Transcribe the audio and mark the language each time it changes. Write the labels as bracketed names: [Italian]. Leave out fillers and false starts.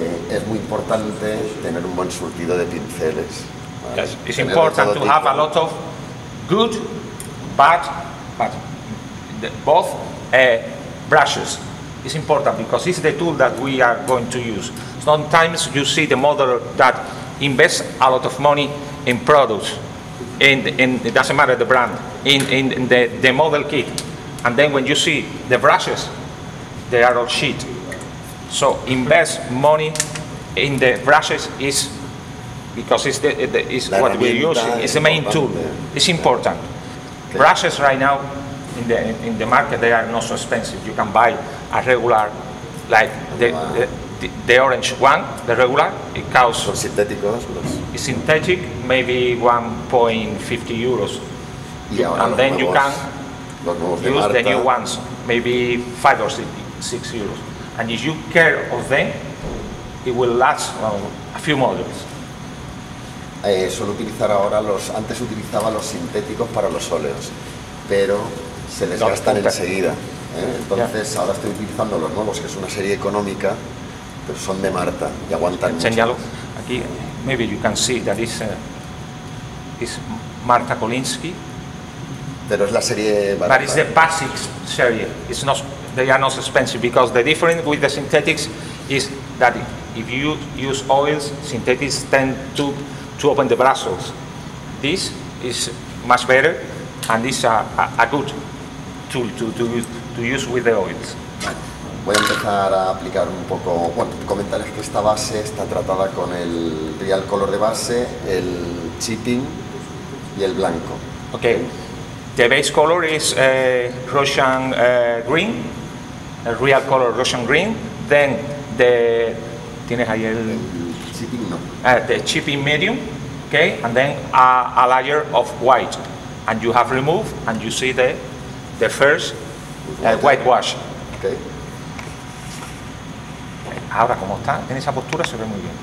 [Spanish] Es muy importante tener un buen surtido de pinceles. ¿Vale? [English] Yes, it's important to have a lot of good, bad, but both brushes. It's important because it's the tool that we are going to use. Sometimes you see the model that invests a lot of money in products, and it doesn't matter the brand, in the model kit. And then when you see the brushes, they are all shit. So invest money in the brushes is because it's the is what we use. It's the main tool. It's important. Okay. Brushes right now in the market, they are not so expensive. You can buy a regular, like the orange one, the regular, it costs. [Spanish] Los sintéticos. [English] It's synthetic, maybe 1.50 euros. And then you can use the new ones, maybe 5 or 6 euros. And if you care of them, it will last a few modules. [Spanish] Suelo utilizar ahora los, antes utilizaba los sintéticos para los óleos, pero se les gastan enseguida. Entonces ahora estoy utilizando los nuevos, que es una serie económica, pero son de Marta y aguantan mucho. Aquí, [English] maybe you can see that is is Marta Kolinsky. [Spanish] Pero es la serie barata. [English] But it's the basic serie. It's not, they are not expensive because the difference with the synthetics is that if you use oils, synthetics tend to open the Brussels. This is much better, and this is a good tool to use with the oils. [Spanish] Voy a empezar a aplicar un poco. Bueno, tu comentario es que esta base está tratada con el Real Color de base, el chipping y el blanco. [English] Okay. The base color is Russian green, a real color Russian green. Then the [Spanish] tienes ahí el chipping, no. [English] The chipping medium, okay, and then a layer of white, and you have removed and you see the first white wash. Okay. [Spanish] Ahora como está en esa postura se ve muy bien.